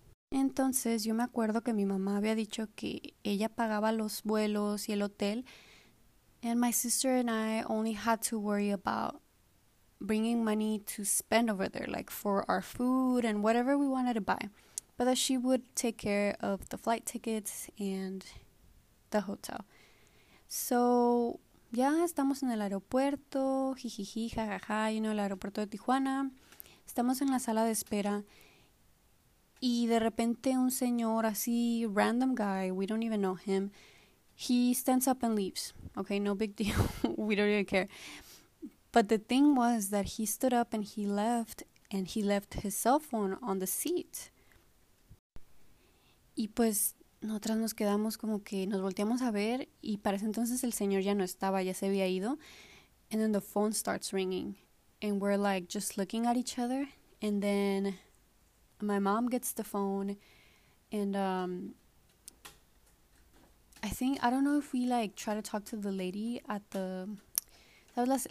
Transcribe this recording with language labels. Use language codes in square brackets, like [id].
[es] Entonces, yo me acuerdo que mi mamá había dicho que ella pagaba los vuelos y el hotel. [en] And my sister and I only had to worry about bringing money to spend over there, like for our food and whatever we wanted to buy. But that she would take care of the flight tickets and the hotel. [es] So, ya estamos en el aeropuerto, jijiji, jajaja, [en] you know, [es] el aeropuerto de Tijuana. Estamos en la sala de espera. Y de repente un señor así, [en] random guy, we don't even know him, he stands up and leaves. Okay, no big deal, we don't even care. But the thing was that he stood up and he left, and he left his cell phone on the seat. [es] Y pues, nosotras nos quedamos como que nos volteamos a ver, y para ese entonces el señor ya no estaba, ya se había ido. [en] And then the phone starts ringing, and we're like just looking at each other, and then my mom gets the phone, and I don't know if we like try to talk to the lady at the, [es] ¿sabes?